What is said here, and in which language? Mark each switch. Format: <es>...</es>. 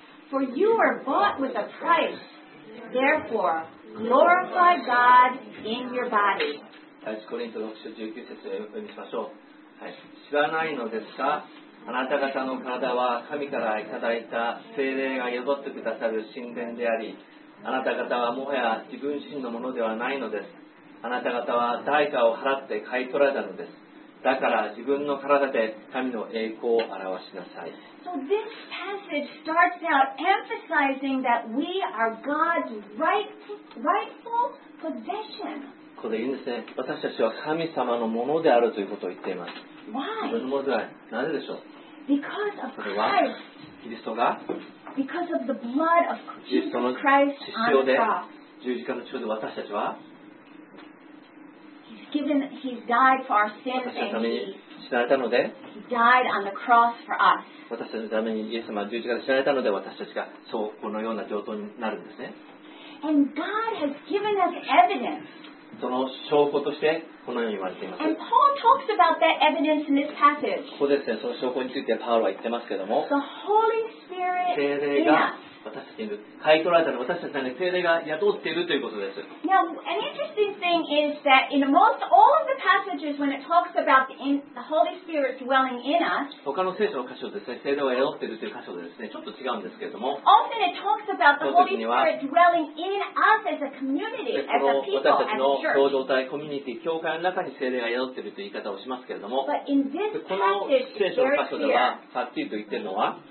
<en>For you were bought with a price. Therefore, glorify God in your body.</en> <ja>第一コリント6章19節を読みましょう、はい、知らないのですかあなた方の体は神からいただいた聖霊が宿ってくださる神殿でありあなた方はもはや自分自身のものではないのですあなた方は代価を払って買い取られたのですだから自分の体で神の栄光を表しなさい。</ja> <en>So this passage starts out emphasizing that we are God's rightful possession.</en> <ja>ここで言うんですね。私たちは神様のものであるということを言っています。</ja> <en>Why?</en> <ja>自分のものではない。なぜでしょう</ja> <en>Because of Christ.</en> <ja>キリストが</ja> <en>Because of the blood of Jesus Christ on the cross.</en> <ja>キリストの十字架の血で私たちは</ja> <en>Given, he's died for our sins and he died on the cross for us.</en> <ja>私たちのためにイエス様は十字架で死なれたので私たちがそうこのような状況になるんですね。</ja> <en>And God has given us evidence.</en> <ja>その証拠としてこのように言われています。</ja> <en>And Paul talks about that evidence in this passage.</en> <ja>ここですね、その証拠についてパウロは言ってますけども。</ja> <en>The Holy Spirit in us.</en> <ja>買い取られたのは私たちの聖霊が宿っているということです。</ja> <en>Now, an interesting thing is that in most all of the passages when it talks about the Holy Spirit dwelling in us,</en> <ja>他の聖書の箇所ですね、聖霊が宿っているという箇所ですね、ちょっと違うんですけれども、</ja> <en>often it talks about the Holy Spirit dwelling in us as a community, as a people, as a church.</en> <ja>私たちの共同体、コミュニティ、教会の中に聖霊が宿っているという言い方をしますけれども、</ja> <en>But in this passage,</en> <ja>この聖書の箇所では、はっきりと言っているのは、</ja>